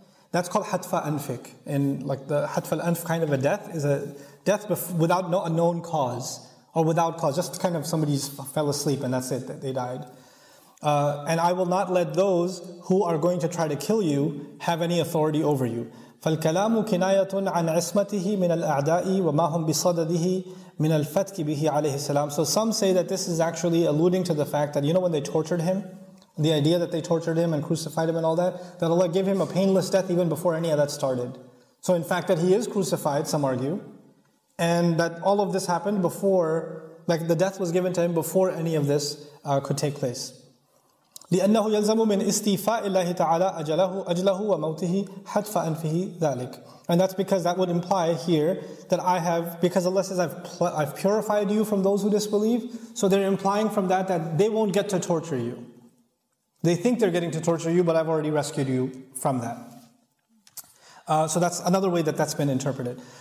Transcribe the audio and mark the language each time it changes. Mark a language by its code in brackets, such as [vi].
[en] That's called hatfa anfik. And like the hatfa anf kind of a death is a death without a known cause, or without cause, just kind of somebody fell asleep and that's it, they died. And I will not let those who are going to try to kill you have any authority over you. [ar] فالكلام كناية عن عصمته من الأعداء وما هم بصدده من الفتك به عليه السلام. [en] So some say that this is actually alluding to the fact that, you know, when they tortured him, the idea that they tortured him and crucified him and all that, that Allah gave him a painless death even before any of that started. So in fact that he is crucified, some argue, and that all of this happened before, like the death was given to him before any of this could take place. [ar] لأنه يلزم من استيفاء الله تعالى أجله وموته حتف أنفه ذلك. [en] And that's because that would imply here that I have, because Allah says I've purified you from those who disbelieve, so they're implying from that they won't get to torture you. They think they're getting to torture you, but I've already rescued you from that. So that's another way that's been interpreted.